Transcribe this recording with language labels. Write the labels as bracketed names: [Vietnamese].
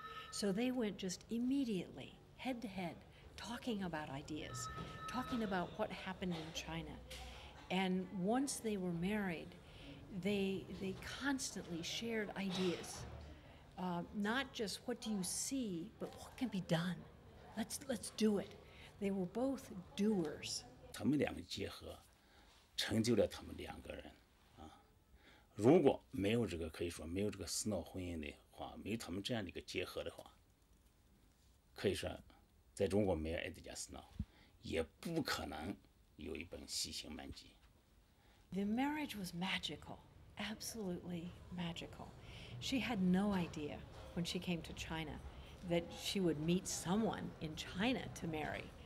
[English] So they went just immediately, head to head, talking about ideas, talking about what happened in China. And once they were married, they constantly shared ideas. Not just what do you see, but what can be done. Let's do it. They were both doers. [Chinese] 他们两个结合成就了他们两个人，如果没有这个可以说没有这个Snow婚姻的话，没有他们这样的一个结合的话，可以说在中国没有爱迪加斯诺，也不可能有一本《西行漫记》。The [English] marriage was magical, absolutely magical. She had no idea when she came to China that she would meet someone in China to marry.